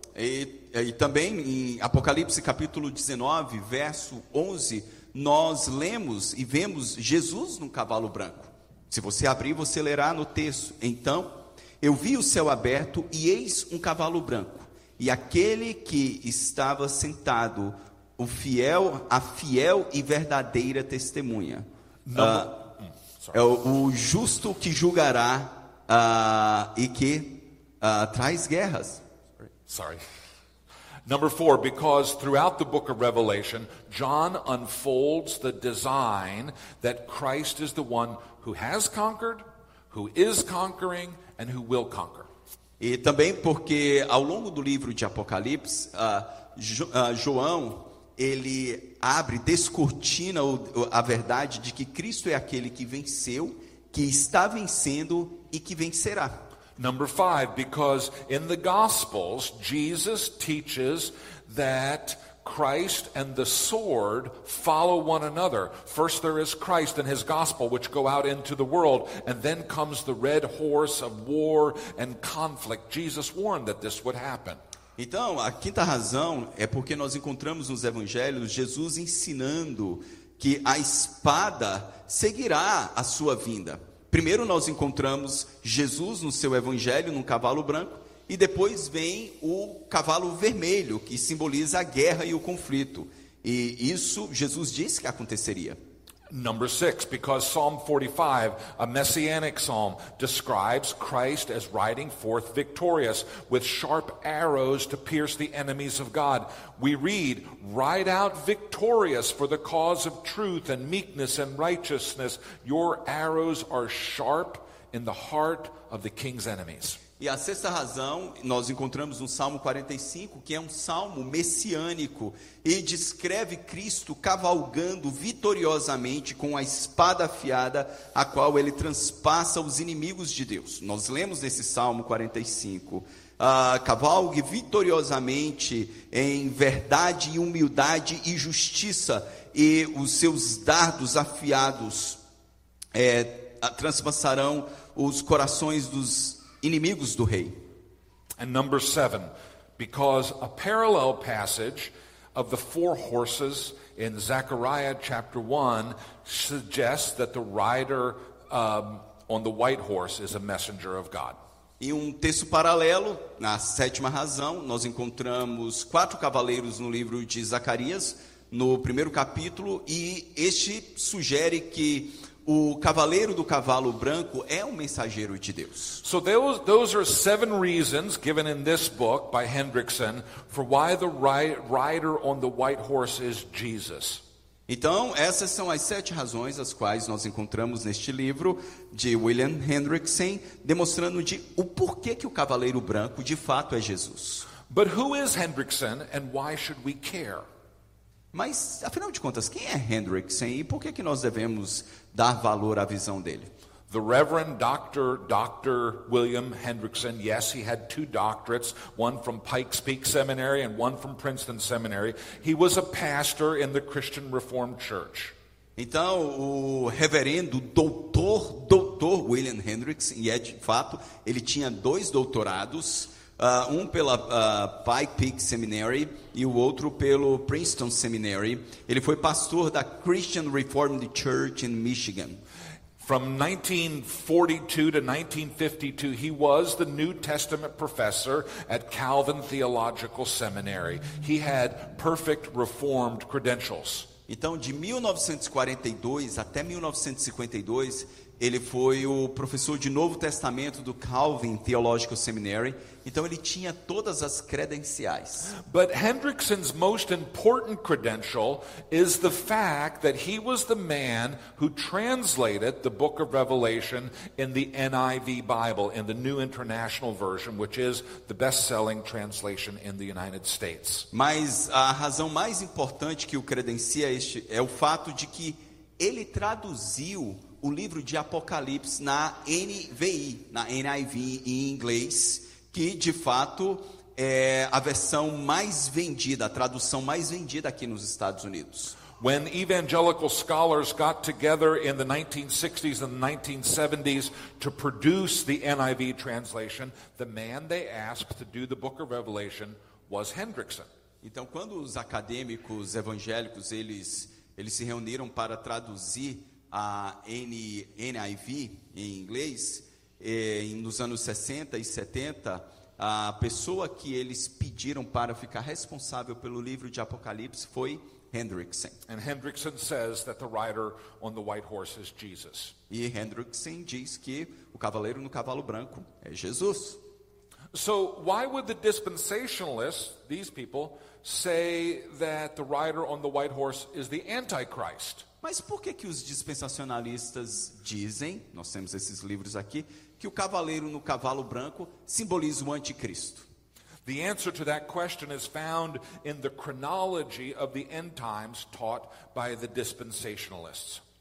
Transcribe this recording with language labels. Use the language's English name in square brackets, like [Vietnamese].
[Portuguese] E também em Apocalipse capítulo 19, verso 11, nós lemos e vemos Jesus num cavalo branco. Se você abrir, você lerá no texto. Então, eu vi o céu aberto e eis um cavalo branco, e aquele que estava sentado, o fiel, a fiel e verdadeira testemunha, é o justo que julgará e que traz guerras. [English] Sorry. Number four, because throughout the book of Revelation, John unfolds the design that Christ is the one who has conquered, who is conquering, and who will conquer. [Portuguese] E também porque ao longo do livro de Apocalipse, João, ele abre, descortina a verdade de que Cristo é aquele que venceu, que está vencendo e que vencerá. [English] Number five, because in the Gospels, Jesus teaches that Christ and the sword follow one another. First there is Christ and his gospel which go out into the world, and then comes the red horse of war and conflict. Jesus warned that this would happen. [Portuguese] Então, a quinta razão é porque nós encontramos nos evangelhos Jesus ensinando que a espada seguirá a sua vinda. Primeiro nós encontramos Jesus no seu evangelho num cavalo branco. E depois vem o cavalo vermelho, que simboliza a guerra e o conflito. E isso Jesus disse que aconteceria. [English] Number six, because Psalm 45, a messianic psalm, describes Christ as riding forth victorious with sharp arrows to pierce the enemies of God. We read, "Ride out victorious for the cause of truth and meekness and righteousness. Your arrows are sharp in the heart of the king's enemies." [Portuguese] E a sexta razão, nós encontramos no Salmo 45, que é um salmo messiânico, e descreve Cristo cavalgando vitoriosamente com a espada afiada, a qual ele transpassa os inimigos de Deus. Nós lemos nesse Salmo 45, cavalgue vitoriosamente em verdade e humildade e justiça, e os seus dardos afiados transpassarão os corações dos inimigos do rei. [English] And number seven, because a parallel passage of the four horses in Zechariah chapter 1 suggests that the rider on the white horse is a messenger of God. [Portuguese] E um texto paralelo, na sétima razão, nós encontramos quatro cavaleiros no livro de Zacarias, no primeiro capítulo, e este sugere que o cavaleiro do cavalo branco é um mensageiro de Deus. [English] So those are seven reasons given in this book by Hendrickson for why the rider on the white horse is Jesus. [Portuguese] Então, essas são as sete razões as quais nós encontramos neste livro de William Hendrickson, demonstrando o porquê que o cavaleiro branco de fato é Jesus. [English] But who is Hendrickson and why should we care? [Portuguese] Mas, afinal de contas, quem é Hendrickson e por que que nós devemos dar valor à visão dele? [English] The Reverend Dr. William Hendrickson, yes, he had two doctorates, one from Pikes Peak Seminary and one from Princeton Seminary. He was a pastor in the Christian Reformed Church. [Portuguese] Então, o reverendo doutor William Hendrickson, e é de fato, ele tinha dois doutorados, Um pela Pike Peak Seminary e o outro pelo Princeton Seminary. Ele foi pastor da Christian Reformed Church in Michigan. [English] From 1942 to 1952, he was the New Testament professor at Calvin Theological Seminary. He had perfect Reformed credentials. [Portuguese] Então, de 1942 até 1952, ele foi o professor de Novo Testamento do Calvin Theological Seminary. Então, ele tinha todas as credenciais. [English] But Hendrickson's most important credential is the fact that he was the man who translated the Book of Revelation in the NIV Bible, in the New International Version, which is the best-selling translation in the United States. [Portuguese] Mas a razão mais importante que o credencia este é o fato de que ele traduziu o livro de Apocalipse na NVI, na NIV em inglês, que de fato é a versão mais vendida, a tradução mais vendida aqui nos Estados Unidos. [English] When evangelical scholars got together in the 1960s and 1970s to produce the NIV translation, the man they asked to do the Book of Revelation was Hendrickson. [Portuguese] Então, quando os acadêmicos evangélicos eles se reuniram para traduzir a NIV em inglês, nos anos 60 e 70, a pessoa que eles pediram para ficar responsável pelo livro de Apocalipse foi Hendrickson. [English] And Hendrickson says that the rider on the white horse is Jesus. [Portuguese] E Hendrickson diz que o cavaleiro no cavalo branco é Jesus. [English] So why would the dispensationalists, these people, say that the rider on the white horse is the Antichrist? [Portuguese] Mas por que que os dispensacionalistas dizem, nós temos esses livros aqui, que o cavaleiro no cavalo branco simboliza o anticristo? [English] The answer to that question is found in the chronology of the end times taught by the dispensationalists.